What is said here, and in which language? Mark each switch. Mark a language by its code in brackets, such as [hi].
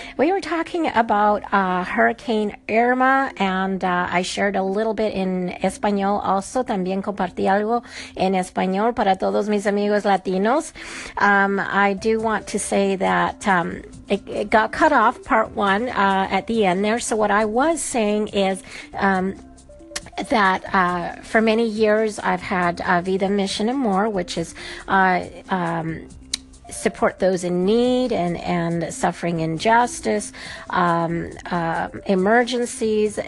[en] We were talking about Hurricane Irma, and I shared a little bit in español. [es] Also, también compartí algo en español para todos mis amigos latinos. [en] I do want to say that it got cut off part one at the end there. So what I was saying is that for many years I've had Vida Mission and More, which is support those in need and suffering injustice, emergencies.